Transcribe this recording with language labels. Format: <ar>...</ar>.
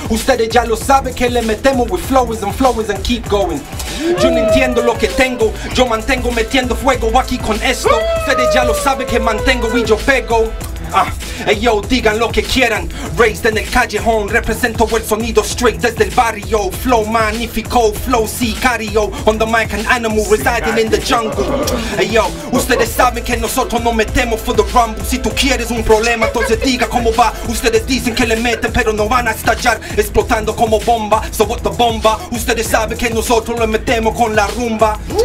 <es>Ustedes ya lo saben que le metemos</es> <en>with flowers and keep going.</en> <es>Yo no entiendo lo que tengo, yo mantengo metiendo fuego aquí con esto. Ustedes ya lo saben que mantengo y yo pego. Yo, digan lo que quieran. Raised en el callejón, represento el sonido straight desde el barrio. Flow magnífico, flow sicario.</es> <en>On the mic, an animal residing in the jungle.</en> <es>Yo, ustedes saben que nosotros no metemos</es> <en>for the rumble.</en> <es>Si tú quieres un problema, entonces diga cómo va. Ustedes dicen que le meten, pero no van a estallar. Explotando como bomba,</es> <en>so what the</en> <es>bomba. Ustedes saben que nosotros le metemos con la rumba.</es>